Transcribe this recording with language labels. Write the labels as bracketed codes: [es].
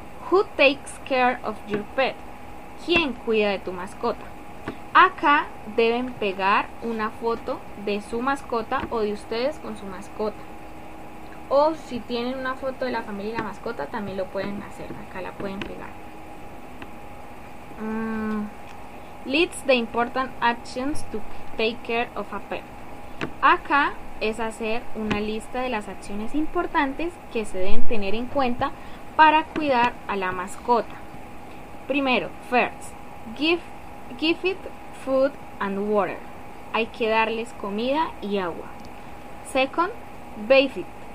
[en] Who takes care of your pet? [es] ¿Quién cuida de tu mascota? Acá deben pegar una foto de su mascota o de ustedes con su mascota. O si tienen una foto de la familia y la mascota, también lo pueden hacer. Acá la pueden pegar. [en] List the important actions to take care of a pet. [es] Acá es hacer una lista de las acciones importantes que se deben tener en cuenta para cuidar a la mascota. [en] Primero, first, give it food and water. [es] Hay que darles comida y agua. [en] Second, bathe it.